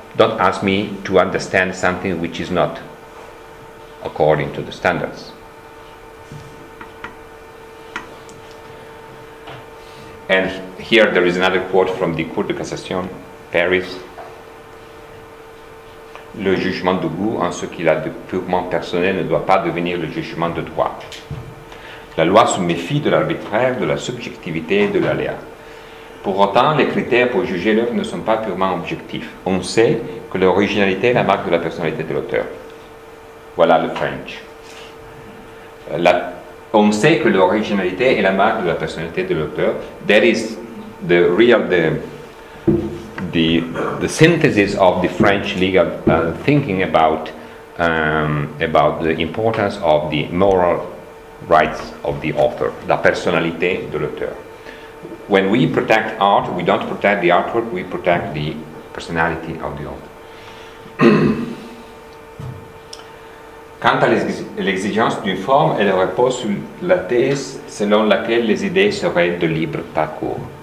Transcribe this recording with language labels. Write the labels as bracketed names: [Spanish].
[English] Don't ask me to understand something which is not according to the standards. And here there is another quote from the Cour de Cassation, Paris. [French] Le jugement de goût en ce qu'il a de purement personnel ne doit pas devenir le jugement de droit. La loi se méfie de l'arbitraire, de la subjectivité et de l'aléa. Pour autant, les critères pour juger l'œuvre ne sont pas purement objectifs. On sait que l'originalité est la marque de la personnalité de l'auteur. Voilà le French. On sait que l'originalité est la marque de la personnalité de l'auteur. [English] That is the real, the synthesis of the French legal thinking about the importance of the moral rights of the author, [French] la personnalité de l'auteur. [English] When we protect art, we don't protect the artwork, we protect the personality of the author. [French] Quant à l'exigence d'une forme, elle repose sur la thèse selon laquelle les idées seraient de libre parcours.